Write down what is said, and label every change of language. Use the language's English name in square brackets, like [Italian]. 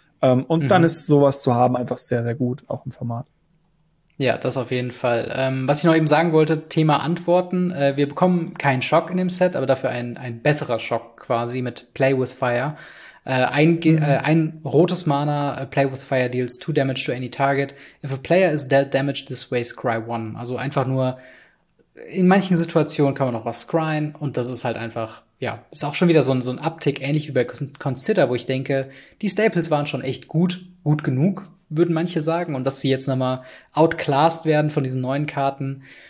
[German] Und dann ist sowas zu haben einfach sehr, sehr gut, auch im Format. Ja, das auf jeden Fall. Was ich noch eben sagen wollte, Thema Antworten. Wir bekommen keinen Schock in dem Set, aber dafür ein besserer Schock quasi mit Play with Fire. Ein rotes Mana, [English] Play with Fire deals 2 damage to any target. If a player is dealt damage this way, scry 1. [German] Also einfach nur, in manchen Situationen kann man auch was scryen. Und das ist halt einfach, ja, ist auch schon wieder so ein Uptick, ähnlich wie bei Consider, wo ich denke, die Staples waren schon echt gut genug, würden manche sagen. Und dass sie jetzt nochmal outclassed werden von diesen neuen Karten.